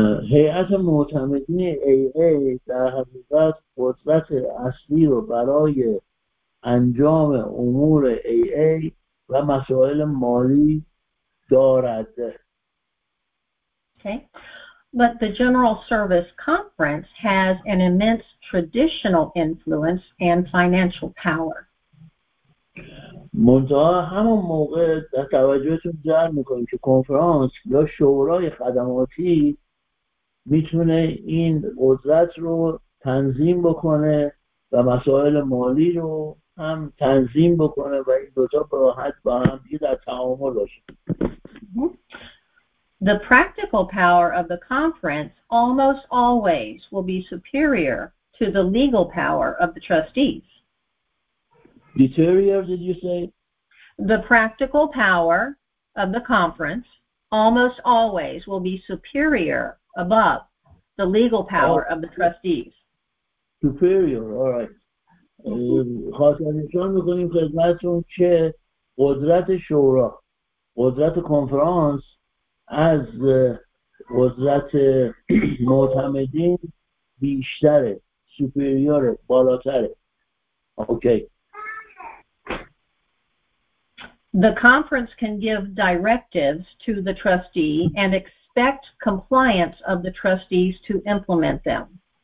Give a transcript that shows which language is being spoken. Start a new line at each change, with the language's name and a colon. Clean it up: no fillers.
Persian: هیئت معتمدین AA در حقیقت قدرت اصلی رو برای انجام امور AA و مسائل مالی دارد.
English: Okay. But the General Service Conference has an immense traditional influence and financial power.
Persian: منتها همون موقع در توجهتون جلب میکنیم که کنفرانس یا شورای خدماتی میتونه این قدرت رو تنظیم بکنه و مسائل مالی رو هم تنظیم بکنه و این دوتا براحت با هم دیگه در تعامل باشه.
English: The practical power of the conference almost always will be superior to the legal power of the trustees. Deterior, did you say? The practical power of the conference almost always will be superior above the legal power of the trustees. Superior, all right.
Persian: خاطر نشان می‌کنیم خدمتتون که قدرت شورا، قدرت کنفرانس از قدرت معتمدین بیشتره، سوپریوره، بالاتره.
English: Okay. The conference can give directives to the trustee and expect compliance of the trustees to implement them.